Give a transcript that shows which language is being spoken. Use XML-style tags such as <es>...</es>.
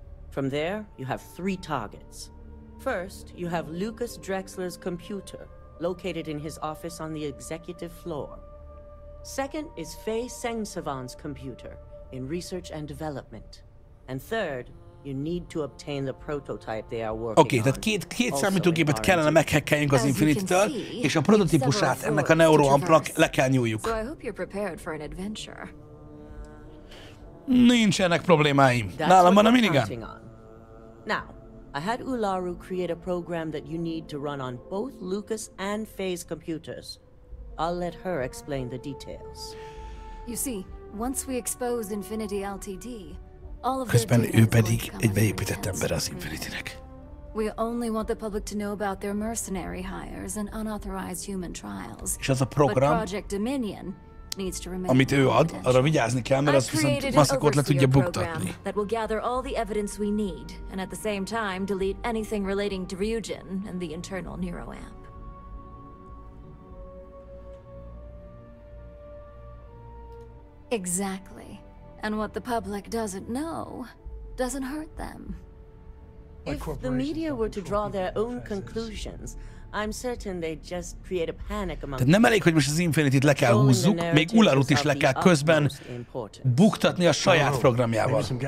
<en>From there, you have three targets. First, you have Lucas Drexler's computer, located in his office on the executive floor. Second is Faye Sengsavan's computer, in research and development. And third, you need to obtain the prototype they are working on.</en> <hu>Tehát két számítógépet kellene meghekkeljünk az Infinity-től, és a prototípusát ennek a neuroampnak le kell nyúljuk.</hu> <en>So I hope you're prepared for an adventure.</en> <hu>Nincsenek problémáim. Nálam van a minigun.</hu> <en>Now, I had Ularu create a program that you need to run on both Lucas and Faye's computers. I'll let her explain the details. You see, once we expose Infinity LTD, all of</en> <hu>this Infinity-nek.</hu> <en>We only want the public to know about their mercenary hires and unauthorized human trials.</en> <hu>És az a program,</hu> <en>Project Dominion needs to remain.</en> <hu>Amit ő ad, arra vigyázni kell, mert az viszont maszakot le tudja buktatni.</hu> <en>That will gather all the evidence we need and at the same time delete anything relating to Ryujin and the internal neuroamp. Exactly. And what the public doesn't know doesn't hurt them. If the media were to draw their own conclusions, I'm certain they'd just create a panic among people.</en> <hu>Nem elég, hogy most az Infinity-t le kell húzzuk, még Ularut is le kell közben buktatni a saját programjával.</hu>